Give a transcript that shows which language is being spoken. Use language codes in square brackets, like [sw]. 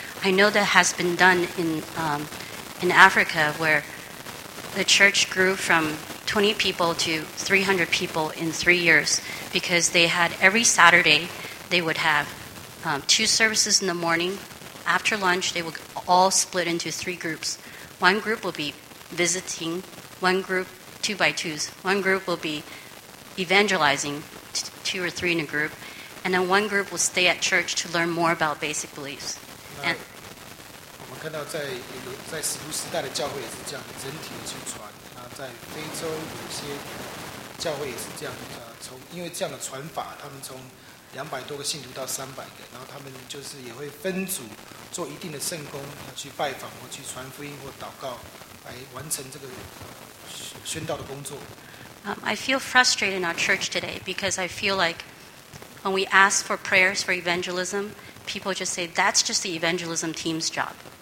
[en] I know that has been done in Africa, where the church grew from 20 people to 300 people in 3 years, because they had every Saturday, they would have two services in the morning. After lunch, they would all split into three groups. One group will be visiting, one group two by twos. One group will be evangelizing, two or three in a group. And then one group will stay at church to learn more about basic beliefs. [zh] And, 看到在使徒时代的教会也是这样，整体的去传。那在非洲有些教会也是这样，因为这样的传法，他们从200多个信徒到300个，然后他们就是也会分组做一定的圣工，去拜访或去传福音或祷告，来完成这个宣道的工作。 [en] I feel frustrated in our church today because I feel like when we ask for prayers for evangelism, people just say that's just the evangelism team's job.